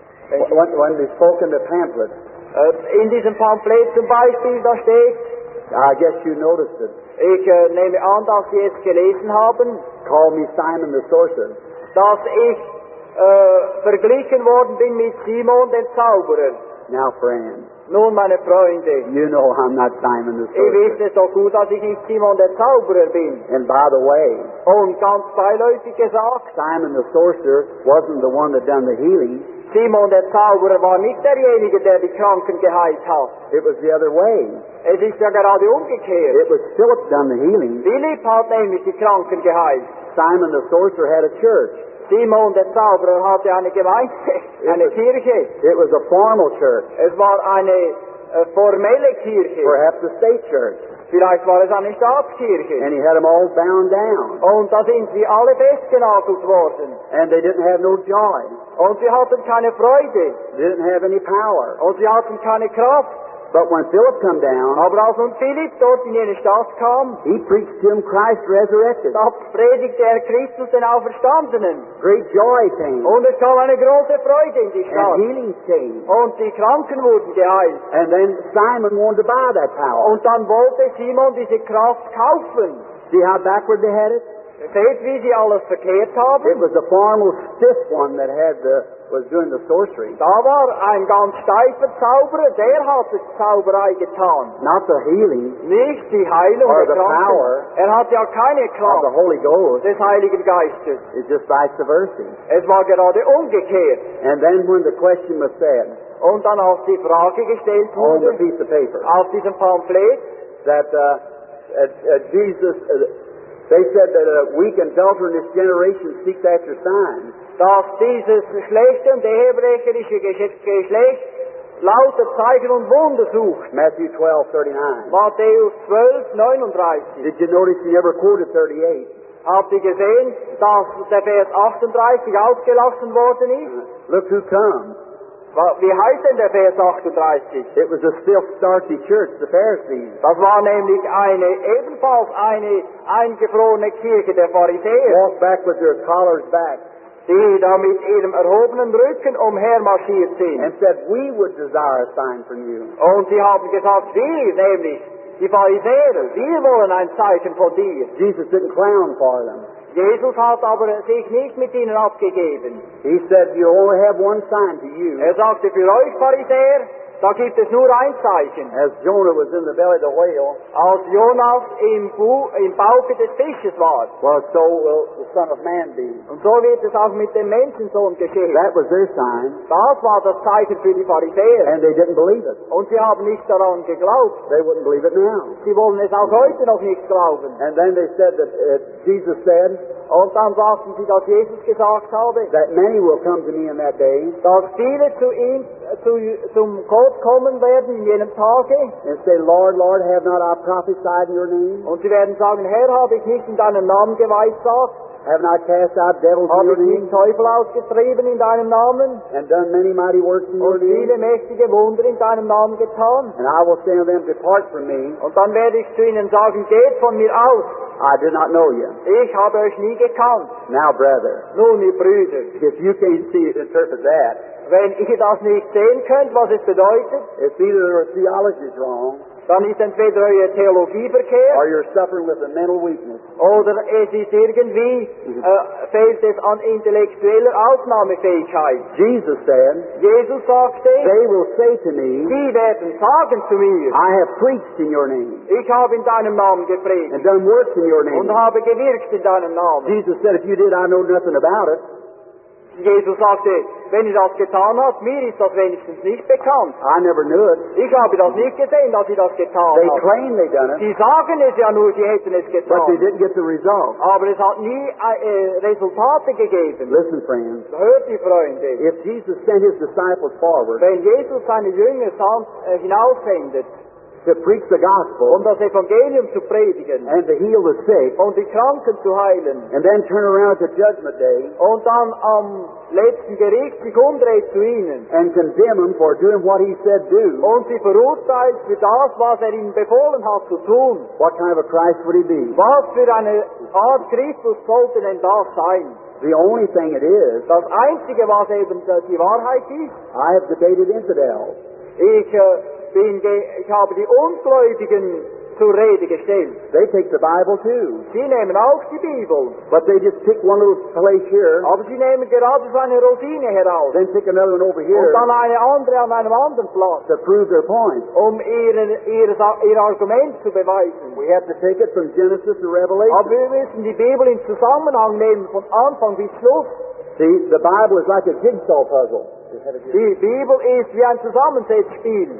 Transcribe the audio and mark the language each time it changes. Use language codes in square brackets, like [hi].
[en] When he spoke in the pamphlet. [de] In diesem Pamphlet zum Beispiel, da steht, [en] I guess you noticed it. [de] Ich nehme an, dass Sie es gelesen haben, [en] call me Simon the Sorcerer. [de] Dass ich verglichen worden bin mit Simon den Zauberer. [en] Now, friend, [de] nun, meine Freunde, [en] you know I'm not Simon the Sorcerer. [de] Ihr wisst es so gut, dass ich nicht Simon der Zauberer bin. [en] And by the way, [de] und ganz beiläufig gesagt, [en] Simon the Sorcerer wasn't the one that done the healing. [de] Simon der Zauberer war nicht derjenige, der die Kranken geheilt hat. [en] It was the other way. [de] Es ist ja gerade umgekehrt. [en] It was Philip done the healing. [de] Philip hat nämlich die Kranken geheilt. [en] Simon the Sorcerer had a church. [de] Simon der Zauberer hatte eine Gemeinde, eine Kirche. [en] It was a formal church. [de] Es war eine formelle Kirche. [en] Perhaps a state church. [de] Vielleicht war es eine Staatskirche. [en] And he had them all bound down. [de] Und da sind sie alle festgenagelt worden. [en] And they didn't have no joy. [de] Und sie hatten keine Freude. [en] They didn't have any power. [de] Und sie hatten keine Kraft. [en] But when Philip came down, [de] aber als nun Philipp dort in jene Stadt kam, [en] he preached him Christ resurrected. [de] Da predigte er Christus den Auferstandenen. [en] Great joy came. [de] Und es kam eine große Freude in die Stadt. [en] And healing came. [de] Und die Kranken wurden geheilt. [en] And then Simon wanted to buy that power. [de] Und dann wollte Simon diese Kraft kaufen. [en] See how backward they had it? [de] Seht, wie sie alles verkehrt haben? [en] It was a formal stiff one that had the was doing the sorcery. [de] Da war ein ganz steifer Zauberer, der hat die Zauberei getan. [en] Not the healing. [de] Nicht die Heilung. [en] Or the power. [de] Er hatte ja keine Kraft. [en] Of the Holy Ghost. [de] Des Heiligen Geistes. [en] It's just vice versa. [de] Es war gerade umgekehrt. [en] And then when the question was said. [de] Und dann auf die Frage gestellt wurde. [en] On the piece of paper. [de] Auf diesem Pamphlet. [en] That Jesus, they said that a weak and adulterous generation seeks after signs. [de] Dass dieses Geschlecht und der hebräische Geschlecht lauter Zeichen und Wunder sucht. Matthäus 12, 39. [en] Did you notice he ever quoted 38? [de] Habt ihr gesehen, dass der Vers 38 ausgelassen worden ist? [en] Look who comes. [de] Wie heißt denn der Vers 38? [en] It was a stiff, starchy church, the Pharisees. [de] Das war nämlich eine, ebenfalls eine eingefrorene Kirche der Pharisäer. [en] Walk back with your collars back. [de] Die da mit ihrem erhobenen Rücken umhermarschiert sind. [en] And said, we would desire a sign from you. [de] Und sie haben gesagt, wir, nämlich die Pharisäer, wir wollen ein Zeichen von dir. [en] Jesus didn't clown for them. [de] Jesus hat aber sich nicht mit ihnen abgegeben. [en] He said, you only have one sign to you. [de] Er sagte, für euch Pharisäer, da gibt es nur ein Zeichen. [en] As Jonah was in the belly of the whale. [de] Als Jonas im Bauch des Fisches war. [en] Well, so will the Son of Man be. [de] Und so wird es auch mit dem Menschensohn geschehen. [en] That was their sign. [de] Das war das Zeichen für die Pharisäer. [en] And they didn't believe it. [de] Und sie haben nicht daran geglaubt. [en] They wouldn't believe it now. [de] Sie wollen es auch heute noch nicht glauben. [en] And then they said that Jesus said. [de] Und dann sagten sie, dass Jesus gesagt habe. [en] That many will come to me in that day. [de] Dass viele zu ihm zum Gott kommen werden in jenem Tage. [en] And say, Lord, Lord, have not I prophesied in your name? [de] Und sie werden sagen, Herr, habe ich nicht in deinem Namen geweissagt? [en] Have not cast out devils in your name? [de] Habe ich nicht Teufel ausgetrieben in deinem Namen? [en] And done many mighty works in your name? [de] Und viele mächtige Wunder in deinem Namen getan? [en] And I will say to them, depart from me. [de] Und dann werde ich zu ihnen sagen, geht von mir aus. [en] I do not know you. [de] Ich habe euch nie gekannt. [en] Now, brother. [de] Nun, ihr Brüder. [en] If you can't see it, interpret that. [de] Wenn ihr das nicht sehen könnt, was es bedeutet. [en] If either your theology is wrong. [de] Dann ist entweder eure Theologie verkehrt. [en] Or you're suffering with a mental weakness. [de] Oder es ist irgendwie, fehlt es an intellektueller Aufnahmefähigkeit. [en] Jesus said. [de] Jesus sagte. [en] They will say to me. [de] Sie werden sagen zu mir. [en] I have preached in your name. [de] Ich habe in deinem Namen gepredigt. [en] And done works in your name. [de] Und habe gewirkt in deinem Namen. [en] Jesus said, if you did, I know nothing about it. [de] Jesus sagte, wenn ihr das getan habt, mir ist das wenigstens nicht bekannt. [en] I never knew it. [de] Ich habe das nicht gesehen, dass ihr das getan habt. [en] They claim they done it. [de] Sie sagen es ja nur, sie hätten es getan. [en] But they didn't get the result. [de] Aber es hat nie Resultate gegeben. [en] Listen, friends. [de] Hört die Freunde. [en] If Jesus sent his disciples forward, [de] wenn Jesus seine Jünger hinaussendet, [en] to preach the gospel, [de] um das Evangelium zu predigen, [en] and to heal the sick, [de] um die Kranken zu heilen, [en] and then turn around to judgment day, [de] und dann am letzten Gericht sich umdreht zu ihnen, [en] and condemn them for doing what he said do, [de] und sie verurteilt für das, was ihnen befohlen hat zu tun. [en] What kind of a Christ would he be? [de] Was für eine Art Christus sollte denn das sein? [en] The only thing it is, [de] das Einzige, was eben die Wahrheit ist, [en] I have debated infidels. [de] Ich habe die Ungläubigen zur Rede gestellt. [en] They take the Bible too. [de] Sie nehmen auch die Bibel. [en] But they just pick one little place here. [de] Aber sie nehmen gerade so eine Routine heraus. [en] Then pick another one over here. [de] Und dann eine andere an einem anderen Platz. [en] To prove their point. [de] Um ihr Argument zu beweisen. [en] We have to take it from Genesis to Revelation. [de] Aber wir müssen die Bibel in Zusammenhang nehmen von Anfang bis Schluss. [en] See, the Bible is like a jigsaw puzzle. [de] Die Bibel ist wie ein Zusammensetzspiel.